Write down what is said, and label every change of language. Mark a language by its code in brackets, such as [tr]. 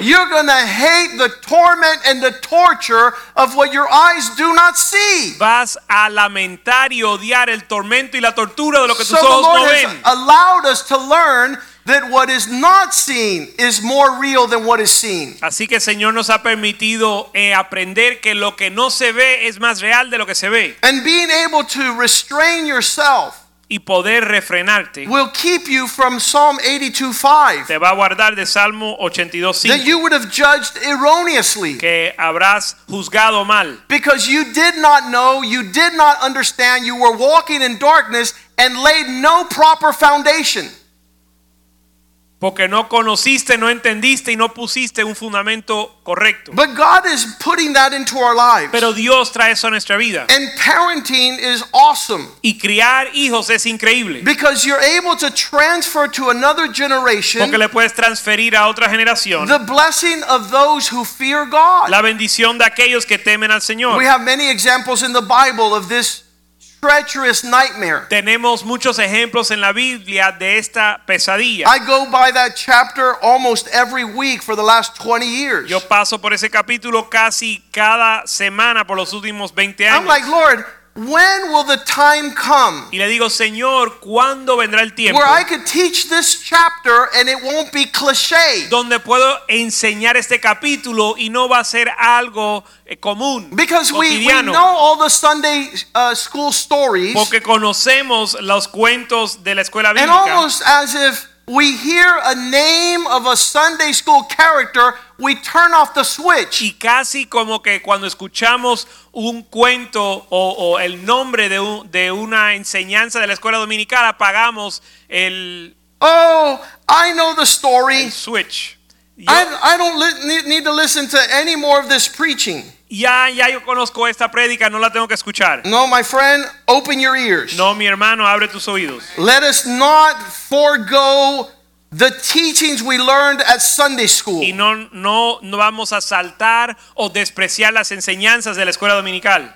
[en] You're going to hate the torment and the torture of what your eyes do not see. [es] Vas a lamentar y odiar el tormento y la tortura de lo que tus ojos no ven. [en] So the Lord has allowed us to learn that what is not seen is more real than what is seen. [es] Así que el Señor nos ha permitido aprender que lo que no se ve es más real de lo que se ve. [en] And being able to restrain yourself [es] y poder refrenarte [en] will keep you from Psalm 82:5. [es] Te va a guardar de Salmo 82:5. [en] That you would have judged erroneously. [es] Que habrás juzgado mal. [en] Because you did not know, you did not understand, you were walking in darkness and laid no proper foundation. [es] Porque no conociste, no entendiste y no pusiste un fundamento correcto. [en] But God is putting that into our lives. [es] Pero Dios trae eso a nuestra vida. [en] And parenting is awesome. [es] Y criar hijos es increíble. [en] Because you're able to transfer to another generation. [es] Porque le puedes transferir a otra generación. [en] The blessing of those who fear God. [es] La bendición de aquellos que temen al Señor. [en] We have many examples in the Bible of this treacherous nightmare. [es] Tenemos muchos ejemplos en la Biblia de esta pesadilla. [en] I go by that chapter almost every week for the last 20 years. [es] Yo paso por ese capítulo casi cada semana por los últimos 20 años. [en] I'm like, Lord, when will the time come? [es] Y le digo, Señor, ¿cuándo vendrá el tiempo? [en] Where I could teach this chapter and it won't be cliché. [es] Donde puedo enseñar este capítulo y no va a ser algo común. [en] Because [es] cotidiano. [en] We know all the Sunday school stories. [es] Porque conocemos los cuentos de la escuela bíblica. [en] And almost as if we hear a name of a Sunday school character, we turn off the switch. [es] Y casi como que cuando escuchamos un cuento o el nombre de una enseñanza de la escuela dominical, apagamos el [en] oh, I know the story. [es] El switch. [en] I don't need to listen to any more of this preaching. [es] Ya yo conozco esta prédica, no la tengo que escuchar. [en] No, my friend, open your ears. [es] No, mi hermano, abre tus oídos. [en] Let us not forgo the teachings we learned at Sunday school. [es] Y no vamos a saltar o despreciar las enseñanzas de la escuela dominical.